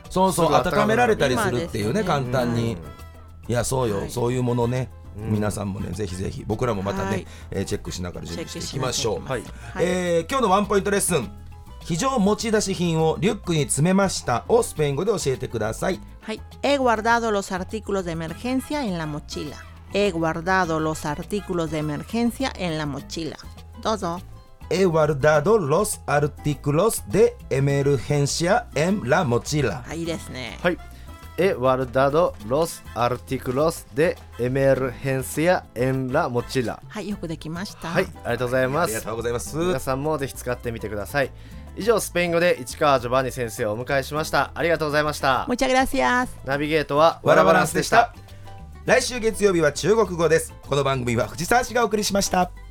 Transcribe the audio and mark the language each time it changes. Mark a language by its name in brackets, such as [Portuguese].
[Japanese] そうそう、温められたりするっていうね、簡単に、うん、いやそうよ、はい、そういうものね、うん、皆さんもね、ぜひぜひ、僕らもまたね、はい、チェックしながら準備していきましょう。はい、今日のワンポイントレッスン、非常持ち出し品をリュックに詰めましたをスペイン語で教えてください。 [Spanish] はい、he guardado los artículos de emergencia en la mochila. He guardado los artículos de emergencia en la mochila. [Japanese] どうぞ。 [Spanish] he guardado los artículos de emergencia en la mochila. [Japanese] いいですね。 [Spanish] はい、He guardado los artículos de emergencia en la mochila。 [Japanese] はい、よくできました。はい、ありがとうございます、はい、ありがとうございます。皆さんもぜひ使ってみてください。以上、スペイン語で市川ジョバンニ先生をお迎えしました。ありがとうございました。 [Spanish] Muchas gracias。 [Japanese] ナビゲートはワラバランスでした。来週月曜日は中国語です。この番組は藤沢氏がお送りしました。